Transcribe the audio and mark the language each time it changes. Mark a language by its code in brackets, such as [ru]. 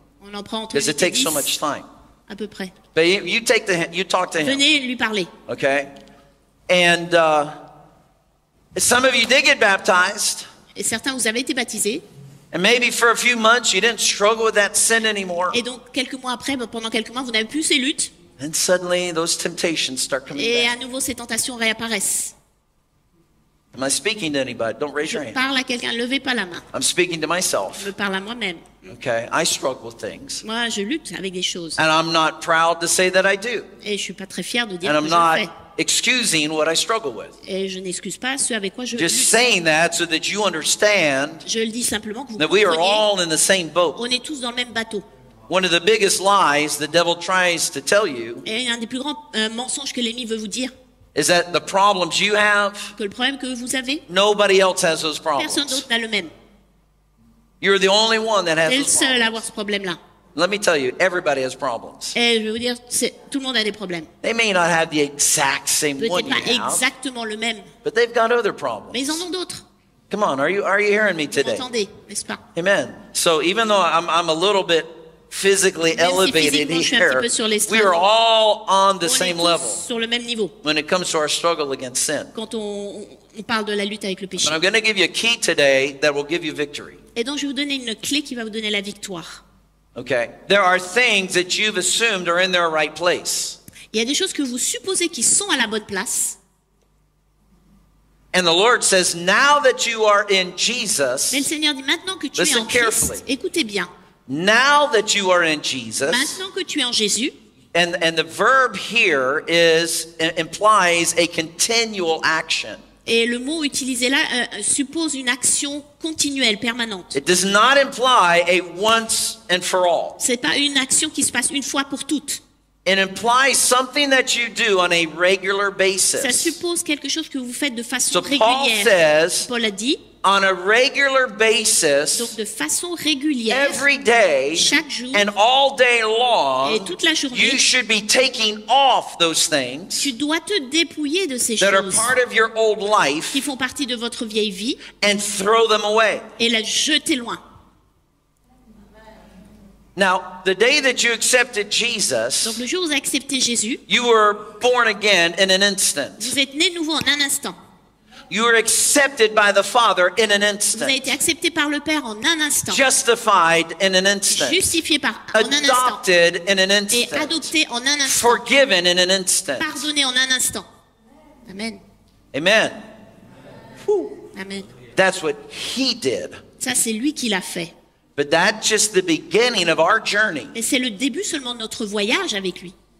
[fr] On en prend [en] because it takes so much time. [fr] À peu près. [en] But you take the you talk to [fr] venez [en] him. [fr] Venez lui parler. [en] Okay. And some of you did get baptized. [fr] Et certains vous avez été baptisés. [en] And maybe for a few months you didn't struggle with that sin anymore. [fr] Et donc quelques mois après, pendant quelques mois, vous n'avez plus ces luttes. [en] And suddenly those temptations start coming [fr] et [en] back. [fr] Et à nouveau ces tentations réapparaissent. [en] Am I speaking to anybody? Don't raise [fr] je [en] your hand. [fr] Parle à quelqu'un, levez pas la main. [en] I'm speaking to myself. [fr] Je parle à moi-même. [en] Okay, I struggle with things. [fr] Moi, je lutte avec des choses. [en] And I'm not proud to say that I do. [fr] Et je suis pas très fier de dire [en] and [fr] que [en] I'm [fr] le fais. [en] Excusing what I struggle with. [fr] Et je n'excuse pas ce avec quoi je [en] just [fr] lutte. [en] Saying that so that you understand [fr] je le dis simplement que vous [en] that we are all in the same boat. [fr] On est tous dans le même bateau. [en] One of the biggest lies the devil tries to tell you [fr] et un des plus grands mensonges que l'ennemi veut vous dire [en] is that the problems you have, [fr] que le problème que vous avez, [en] nobody else has those problems. [fr] Personne d'autre n'a le même. [en] You're the only one that has [fr] c'est [en] those problems. [fr] Le seul à avoir ce problème-là. [en] Let me tell you, everybody has problems. [fr] Et je veux vous dire, tout le monde a des problèmes. [en] They may not have the exact same [fr] peut-être [en] one you have, [fr] exactement le même. [en] But they've got other problems. [fr] Mais ils en ont d'autres. [en] Come on, are you hearing me today? [fr] Vous m'entendez, n'est-ce pas? [en] Amen. So even though I'm a little bit physically elevated here, we are all on the same level [fr] sur le même niveau [en] when it comes to our struggle against sin. [fr] Quand on parle de la lutte avec le péché. [en] But I'm going to give you a key today that will give you victory. [fr] Et donc je vais vous donner une clé qui va vous donner la victoire. [en] Okay. There are things that you've assumed are in their right place. [fr] Il y a des choses que vous supposez qui sont à la bonne place. [en] And the Lord says, now that you are in Jesus, [fr] mais le Seigneur dit, maintenant que tu [en] listen [fr] es en [en] carefully. [fr] Christ, écoutez bien. [en] Now that you are in Jesus, [fr] maintenant que tu es en Jésus, [en] and the verb here is implies a continual action. [fr] Et le mot utilisé là suppose une action continuelle, permanente. [en] It does not imply a once and for all. [fr] C'est pas une action qui se passe une fois pour toutes. [en] It implies something that you do on a regular basis. [fr] Ça suppose quelque chose que vous faites de façon [en] so [fr] régulière. [en] Paul says, [fr] Paul a dit, [en] on a regular basis, [fr] donc de façon régulière, [en] every day, [fr] chaque jour, [en] and all day long, [fr] et toute la journée, [en] you should be taking off those things [fr] tu dois te dépouiller de ces [en] that [fr] choses [en] are part of your old life [fr] qui font partie de votre vieille vie, [en] and throw them away. [fr] Et la jeter loin. [en] Now, the day that you accepted Jesus, [fr] donc le jour où vous avez accepté Jésus, [en] you were born again in an instant. [fr] Vous êtes né nouveau en un instant. [en] You were accepted by the Father in an instant. [fr] Vous avez été accepté par le Père en un instant. [en] Justified in an instant. [fr] Justifié par en [en] adopted [fr] un instant. [en] Adopted in an instant. [fr] Et adopté en un instant. [en] Forgiven in an instant. [fr] Pardonné en un instant. Amen. [en] Amen. Amen. That's what he did. [fr] Ça c'est lui qui l'a fait. [en] But that's just the beginning of our journey. [fr] Et c'est le début seulement de notre voyage avec lui.